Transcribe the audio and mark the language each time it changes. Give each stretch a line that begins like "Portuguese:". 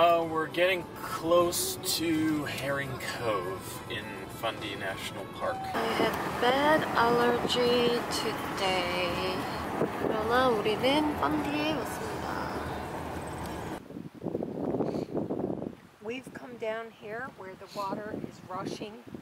English: We're getting close to Herring Cove in Fundy National Park. I have bad allergy today.
Korean: 그러나 우리는 펀디에 왔습니다.
English: We've come down here where the water is rushing.